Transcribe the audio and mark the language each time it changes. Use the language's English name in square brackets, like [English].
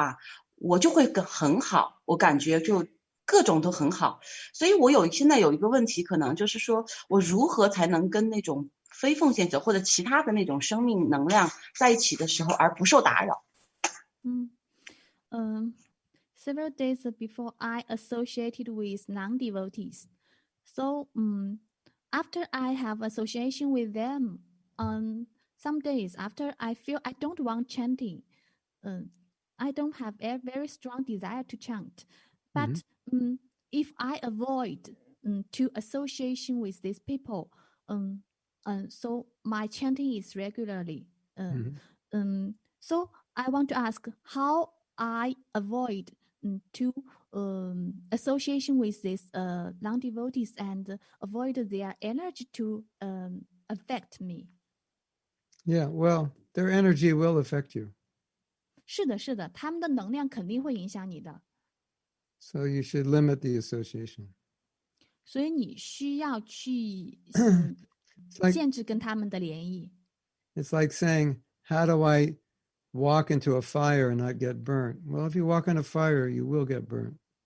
[Chinese] 但是偶尔，比如说，我觉得我就像前两天我跟别人联谊了，就是不是非奉献者，联谊了之后，我会有一种，就是那种不想去，好像对念诵就有那种，懒惰的那种感觉。但是如果没有这种情况的话，我就会很好，我感觉就。各种都很好，所以我现在有一个问题，可能就是说我如何才能跟那种非奉献者或者其他的那种生命能量在一起的时候而不受打扰。 [English] Several days before I associated with non-devotees. So after I have association with them, some days after I feel I don't want chanting. I don't have a very strong desire to chant. But if I avoid to association with these people, so my chanting is regularly. So I want to ask how I avoid to association with these non-devotees and avoid their energy to affect me. Yeah, well, their energy will affect you. [Chinese] 是的，是的, 他们的能量肯定会影响你的。 [English] So you should limit the association. [Chinese] 所以你需要去限制跟他们的联谊。 [English] It's like saying, how do I walk into a fire and not get burnt? Well, if you walk in a fire, you will get burnt.